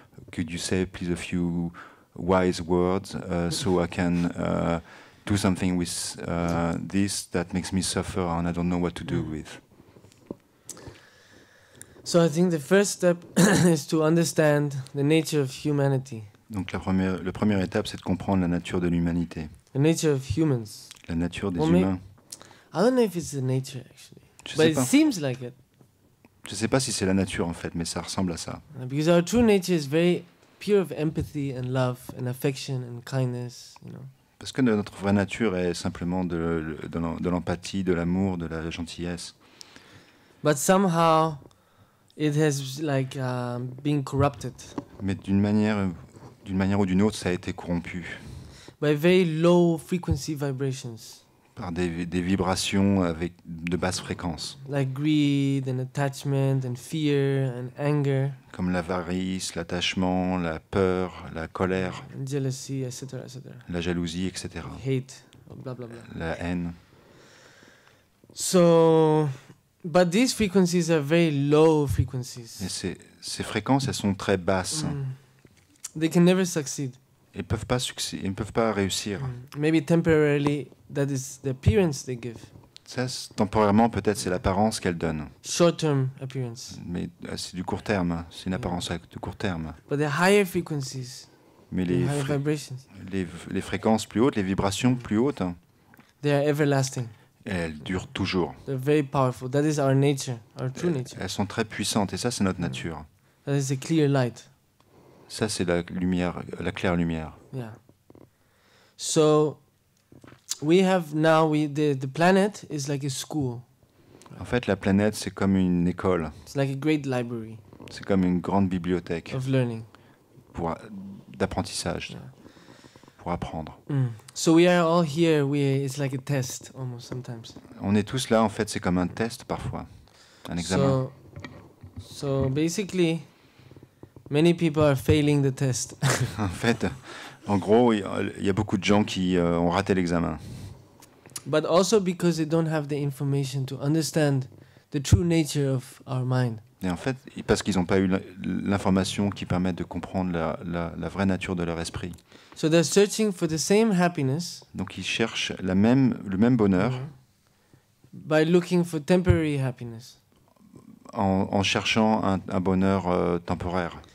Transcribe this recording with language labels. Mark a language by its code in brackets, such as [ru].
[en] Could you say, please, a few wise words so I can do something with this that makes me suffer and I don't know what to do with. So I think the first step is to understand the nature of humanity. [fr] Donc la première étape, c'est de comprendre la nature de l'humanité. [en] The nature of humans. [fr] La nature des humains. [en] I don't know if it's the nature actually. [fr] Je sais pas. [en] It seems like it. [fr] Je sais pas si c'est la nature en fait, mais ça ressemble à ça. [en] Because our true nature is very pure of empathy and love and affection and kindness, you know. [fr] Parce que notre vraie nature est simplement de l'empathie, de l'amour, de la gentillesse. [en] But somehow it has like been corrupted. [fr] Mais d'une manière ou d'une autre, ça a été corrompu. [en] By very low frequency vibrations. [fr] Par des vibrations avec de basse fréquence. [en] Like greed and attachment and fear and anger. [fr] Comme l'avarice, l'attachement, la peur, la colère. [en] And jealousy, etc., etc. [fr] La jalousie, etc. [en] Hate, blah, blah, blah. [fr] La haine. [en] So, but these frequencies are very low frequencies. [fr] Et ces fréquences, elles sont très basses. Mm. [en] They can never succeed. [fr] Ils ne peuvent pas succéder, ils ne peuvent pas réussir. [en] Maybe temporarily, that is the appearance they give. [fr] Ça, temporairement, peut-être, c'est l'apparence qu'elles donnent. [en] Short-term appearance. [fr] Mais c'est du court terme, c'est une apparence de court terme. [en] But the higher frequencies, [fr] mais les [en] higher vibrations, [fr] les fréquences plus hautes, les vibrations plus hautes, [en] they are everlasting. [fr] Et elles durent toujours. [en] They're very powerful. That is our nature, our true nature. [fr] Elles sont très puissantes et ça c'est notre nature. [en] That is a clear light. [fr] Ça c'est la lumière, la claire lumière. [en] Yeah. So we have now the planet is like a school. [fr] En fait la planète c'est comme une école. [en] It's like a great library. [fr] C'est comme une grande bibliothèque. [en] Of learning. [fr] Pour d'apprentissage. Yeah. Pour apprendre. [en] Mm. So we are all here. It's like a test almost sometimes. [fr] On est tous là en fait, c'est comme un test parfois. Un examen. [en] So basically many people are failing the test. [fr] En fait, en gros, il y a beaucoup de gens qui ont raté l'examen. [en] But also because they don't have the information to understand the true nature of our mind. [fr] Et en fait, parce qu'ils n'ont pas eu l'information qui permet de comprendre la vraie nature de leur esprit. [en] So they're searching for the same happiness. [fr] Donc ils cherchent le même bonheur. [en] Mm-hmm. By looking for temporary happiness. [fr] En cherchant un bonheur temporaire.